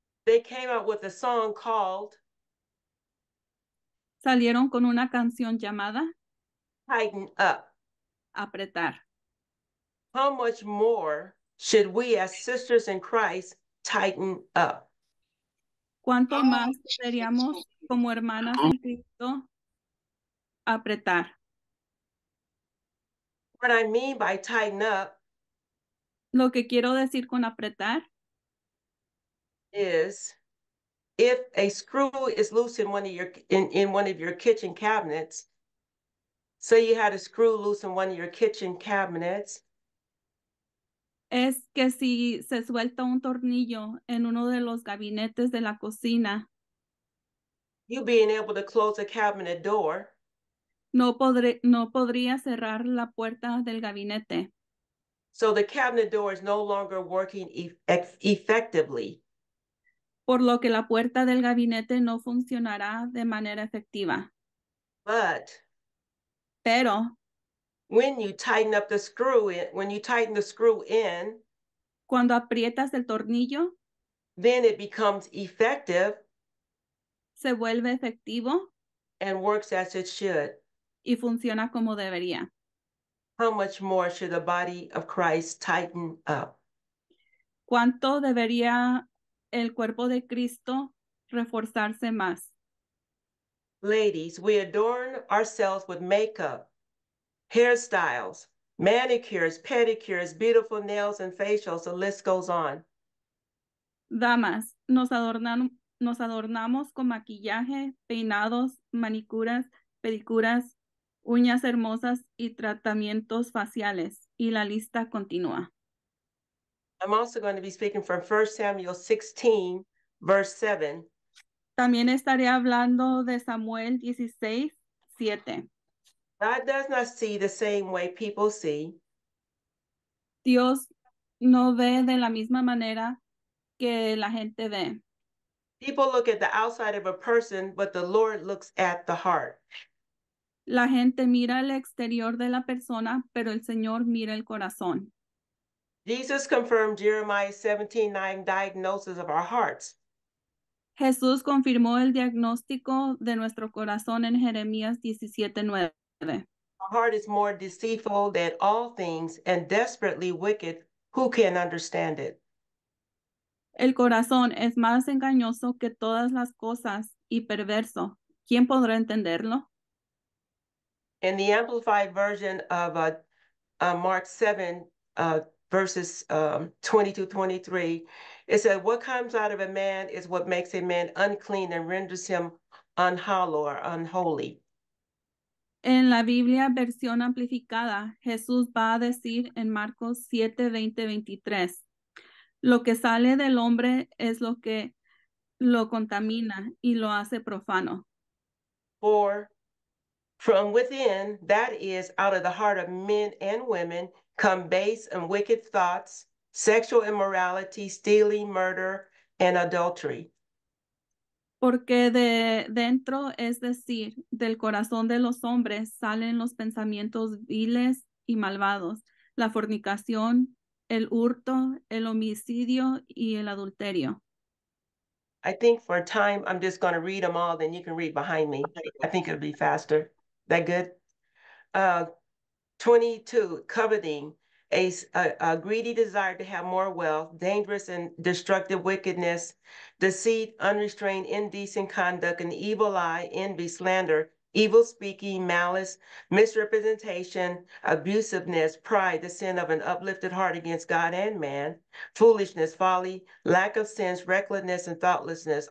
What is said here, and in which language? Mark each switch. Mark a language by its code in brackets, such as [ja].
[en] They came out with a song called. [es] Salieron con una canción llamada. [en] Tighten up. [es] Apretar. [en] How much more should we as sisters in Christ tighten up? [es] ¿Cuánto más deberíamos como hermanas en Cristo apretar? [en] What I mean by tighten up. [es] Lo que quiero decir con apretar [en] is if a screw is loose in one of your in one of your kitchen cabinets, say you had a screw loose in one of your kitchen cabinets. [es] Es que si se suelta un tornillo en uno de los gabinetes de la cocina, [en] you being able to close a cabinet door, [es] no podría cerrar la puerta del gabinete. [en] So the cabinet door is no longer working effectively. [es] Por lo que la puerta del gabinete no funcionará de manera efectiva. [en] But. [es] Pero. [en] When you tighten up the screw in. When you tighten the screw in. [es] Cuando aprietas el tornillo. [en] Then it becomes effective. [es] Se vuelve efectivo. [en] And works as it should. [es] Y funciona como debería. [en] How much more should the body of Christ tighten up? [es] ¿Cuánto debería el cuerpo de Cristo reforzarse más? [en] Ladies, we adorn ourselves with makeup, hairstyles, manicures, pedicures, beautiful nails and facials, the list goes on. [es] Damas, nos adornamos con maquillaje, peinados, manicuras, pedicuras, uñas hermosas y tratamientos faciales. Y la lista continúa. [en] I'm also going to be speaking from 1 Samuel 16, verse 7. [es] También estaré hablando de Samuel 16, 7. [en] God does not see the same way people see. [es] Dios no ve de la misma manera que la gente ve. [en] People look at the outside of a person, but the Lord looks at the heart. [es] La gente mira el exterior de la persona, pero el Señor mira el corazón. [en] Jesus confirmed Jeremiah 17:9 diagnosis of our hearts. [es] Jesús confirmó el diagnóstico de nuestro corazón en Jeremías 17:9. [en] Our heart is more deceitful than all things and desperately wicked. Who can understand it? [es] El corazón es más engañoso que todas las cosas y perverso. ¿Quién podrá entenderlo? [en] In the Amplified version of Mark 7, verses 22-23, it said, what comes out of a man is what makes a man unclean and renders him unhallow or unholy. [es] En la Biblia versión amplificada, Jesús va a decir en Marcos 7:20-23, lo que sale del hombre es lo que lo contamina y lo hace profano. [en] for from within, that is, out of the heart of men and women, come base and wicked thoughts, sexual immorality, stealing, murder, and adultery. [es] Porque de dentro, es decir, del corazón de los hombres, salen los pensamientos viles y malvados, la fornicación, el hurto, el homicidio, y el adulterio. [en] I think for a time, I'm just going to read them all, then you can read behind me. I think it'll be faster. That good? 22, coveting, a greedy desire to have more wealth, dangerous and destructive wickedness, deceit, unrestrained, indecent conduct, an evil eye, envy, slander, evil speaking, malice, misrepresentation, abusiveness, pride, the sin of an uplifted heart against God and man, foolishness, folly, lack of sense, recklessness, and thoughtlessness.